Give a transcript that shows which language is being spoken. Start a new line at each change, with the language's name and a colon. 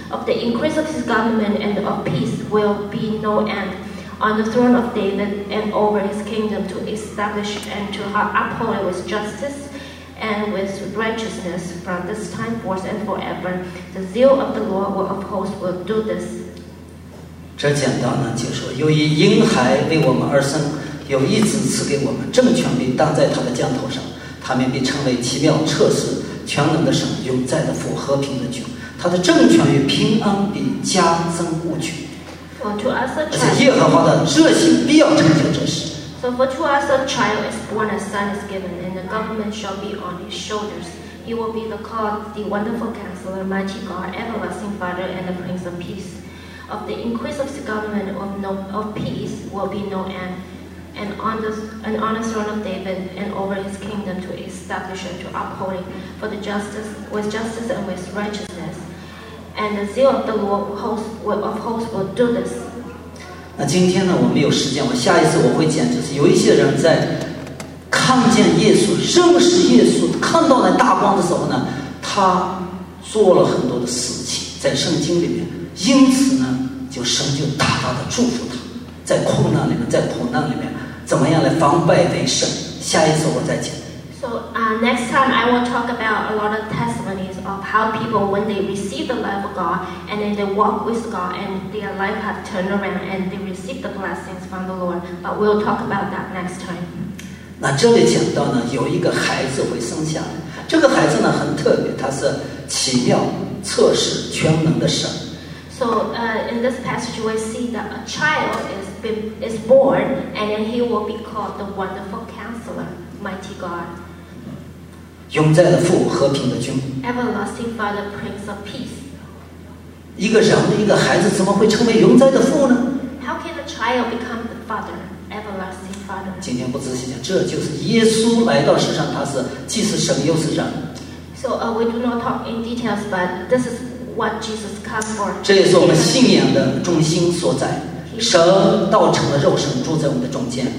English: Of the increase of his government and of peace will be no end. On the throne of David and over his kingdom, to establish and to uphold it with justice and with righteousness from this time forth and forever. The zeal of the Lord will of hosts will do this.
Chinese: 这讲到呢，就说有一婴孩为我们而生，有一子赐给我们，政权必当在他的肩头上，他们必称为奇妙、测试、全能的神、永在的父、和平的君。他的政权与平安必加增无穷。
English: For to us a child,
Chinese: 而且耶和华的这些必要成就这事。
English: So for to us a child is born, a son is given, and the government shall be on his shoulders. He will be the called the Wonderful Counselor, Mighty God, Everlasting Father, and the Prince of Peace. Of the increase of the government of peace will be no end, and on the throne of David and over his kingdom to establish and to uphold it for the justice with justice and with righteousness. And the zeal of the Lord of hosts will do this.
Chinese: 那今天呢，我们有时间，我下一次我会讲，就是有一些人在看见耶稣、认识耶稣、看到那大光的时候呢，他做了很多的事情在圣经里面，因此呢，就神就大大的祝福他，在困难里面，在苦难里面，怎么样来防败为胜？下一次我再讲。
English: Next time I will talk about a lot of testimonies of how people, when they receive the love of God and then they walk with God and their life has turned around and they receive the blessings from the Lord, but we'll talk about that next time.
Chinese: 那这里讲到呢，有一个孩子会生下来，这个孩子呢很特别，他是奇妙、测试、全能的神。
English: So in this passage we see that a child is born and then he will be called the Wonderful Counselor, Mighty God.
Chinese: 永在的父，和平的君。
English: Everlasting Father, Prince of Peace.
Chinese: 一个人，一个孩子怎么会成为永在的父呢
English: ？How can a child become the father, Everlasting Father?
Chinese: 今天不仔细讲，这就是耶稣来到世上，他是既是神又是人。
English: So we do not talk in details, but this is what Jesus came for.
Chinese: 这也是我们信仰的中心所在。神道成了肉身，住在我们的中间。